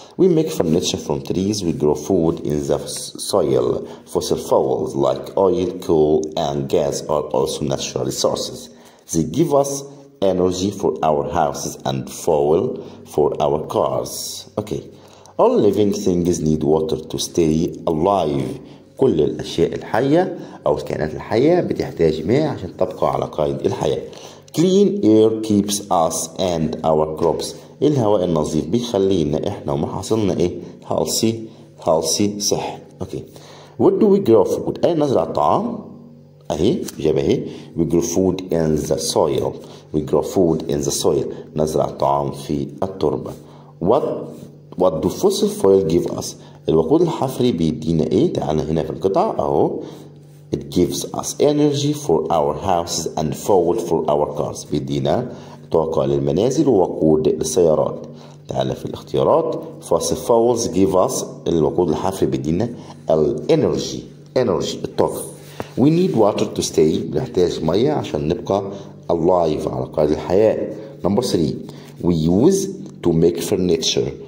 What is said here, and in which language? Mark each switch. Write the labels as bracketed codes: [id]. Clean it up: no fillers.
[en] We make furniture from trees. We grow food in the soil. Fossil fuels like oil, coal, and gas are also natural resources. They give us energy for our houses and fuel for our cars. Okay. All living things need water to stay alive. [ar] كل الأشياء الحية أو الكائنات الحية بتحتاج ماء عشان تبقى على قيد الحياة. [en] Clean air keeps us and our crops. [ar] الهواء النظيف بيخلينا إحنا ومحاصيلنا إيه؟ healthy صح. Okay. [en] What do we grow food؟ [ar] أي نزرع طعام؟ أهي إجابة أهي. [en] We grow food in the soil. We grow food in the soil. [ar] نزرع طعام في التربة. [en] What do fossil fuel give us؟ [ar] الوقود الحفري بيدينا ايه؟ تعالى هنا في القطعة اهو. [en] It gives us energy for our houses and fuel for our cars. [ar] بيدينا طاقة للمنازل ووقود للسيارات. تعالى في الاختيارات. [en] Fossil fuels give us، [ar] الوقود الحفري بيدينا energy الطاقة. [en] We need water to stay، [ar] بنحتاج مية عشان نبقى [en] alive [ar] على قيد الحياة. [en] Number 3. We use to make furniture،